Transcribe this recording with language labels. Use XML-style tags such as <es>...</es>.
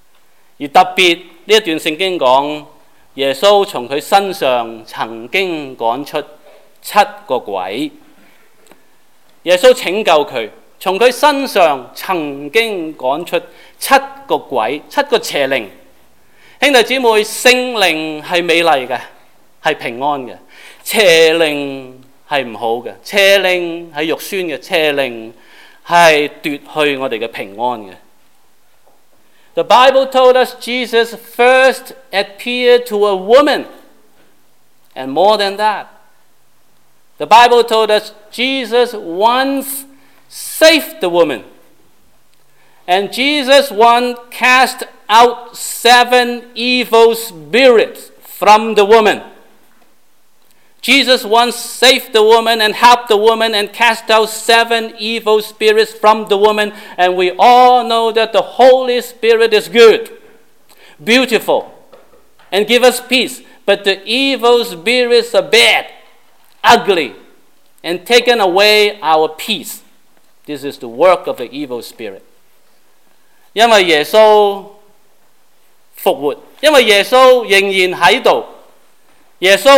<zh>无论哪个问我们都好，你是不是信耶稣啊？是，我们信耶稣。耶稣是活着的，耶稣是真实的，耶稣在我们的心里面，他是我们的心里面的阳光，我们依靠耶稣，耶稣对我很重要。无论哪个问我们，我们都见证耶稣是真实的，耶稣与我们同在。圣经告诉我们，耶稣首先向玛利亚抹大拉的玛利亚显现，而特别这段圣经说， 耶稣从他身上曾经赶出七个鬼，耶稣拯救他，从他身上曾经赶出七个鬼，七个邪灵。兄弟姊妹，圣灵是美丽的，是平安的，邪灵是不好的，邪灵是肉酸的，邪灵是夺去我们的平安的。</zh> <en>The Bible told us Jesus first appeared to a woman. And more than that, the Bible told us Jesus once saved the woman. And Jesus once cast out 7 evil spirits from the woman. Jesus once saved the woman and helped the woman and cast out 7 evil spirits from the woman. And we all know that the Holy Spirit is good, beautiful, and give us peace. But the evil spirits are bad, ugly, and taken away our peace. This is the work of the evil spirit.</en> <zh>因为耶稣复活，因为耶稣仍然在这里。</zh>